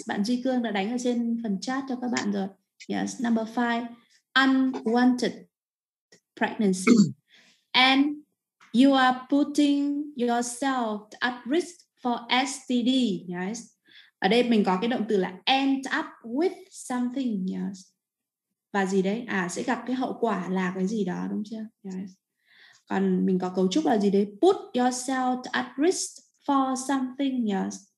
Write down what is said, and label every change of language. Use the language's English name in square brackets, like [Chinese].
[Vietnamese] Bạn Duy Cương đã đánh ở trên phần chat cho các bạn rồi. [English] Yes, number 5, unwanted pregnancy. And you are putting yourself at risk for STD, yes. [Vietnamese] Ở đây mình có cái động từ là [English] end up with something, [Vietnamese] yes. Và gì đấy? À, sẽ gặp cái hậu quả là cái gì đó, đúng chưa? Yes. Còn mình có cấu trúc là gì đấy? [English] Put yourself at risk for something, yes.